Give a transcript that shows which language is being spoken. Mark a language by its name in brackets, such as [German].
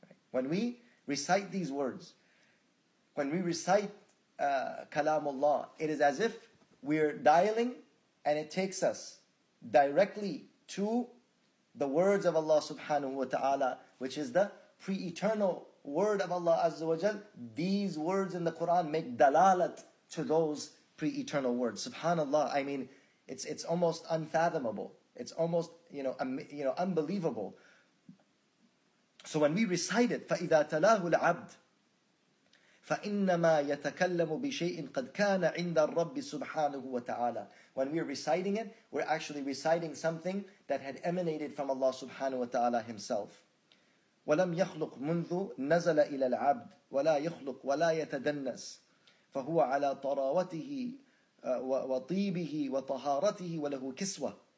[English] When we recite these words, when we recite kalamullah, it is as if we're dialing and it takes us directly to the words of Allah subhanahu wa ta'ala, which is the pre-eternal word of Allah Azza wa Jal. These words in the Quran make dalalat to those pre-eternal words. Subhanallah, I mean, it's almost unfathomable. It's almost, you know, unbelievable. [Arabic] So when we recite it, فَإِذَا تَلَاهُ الْعَبْدِ فَإِنَّمَا يَتَكَلَّمُ بِشَيْءٍ قَدْ كَانَ عِنْدَ الرَّبِّ سُبْحَانُهُ وَتَعَالَى. [English] When we're reciting it, we're actually reciting something that had emanated from Allah subhanahu wa ta'ala himself. [Arabic] وَلَمْ يَخْلُقْ مُنْذُ نَزَلَ إِلَى الْعَبْدِ وَلَا يَخْلُقْ وَلَا يَتَدَنَّسْ فَهُوَ عَلَى طَرَاوَتِهِ وَطِيبِهِ وَطَهَارَتِهِ وَلَهُ كِسْوَةٌ.